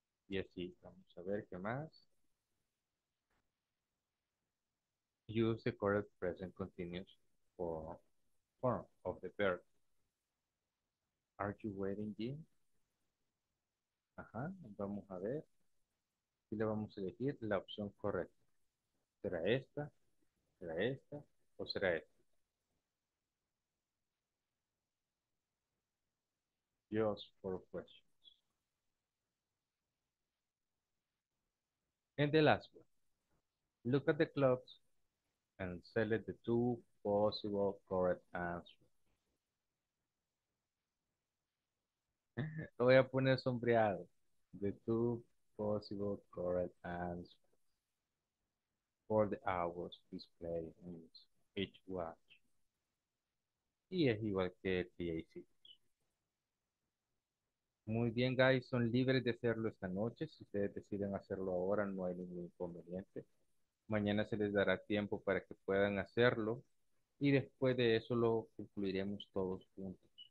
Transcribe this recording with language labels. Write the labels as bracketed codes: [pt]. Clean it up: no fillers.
[es] Y así, vamos a ver qué más. [en] Use the correct present continuous form of the verb. Are you waiting, Jim? [es] Ajá, vamos a ver. Y le vamos a elegir la opción correcta. ¿Será esta? ¿Será esta? ¿O será esta? [en] Just for questions. And the last one. Look at the clocks and select the two possible correct answers. [es] Voy a poner sombreado. [en] The two possible correct answers for the hours displayed in each watch. [es] Y es igual que el PAC. Muy bien, guys, son libres de hacerlo esta noche. Si ustedes deciden hacerlo ahora, no hay ningún inconveniente. Mañana se les dará tiempo para que puedan hacerlo. Y después de eso lo concluiremos todos juntos.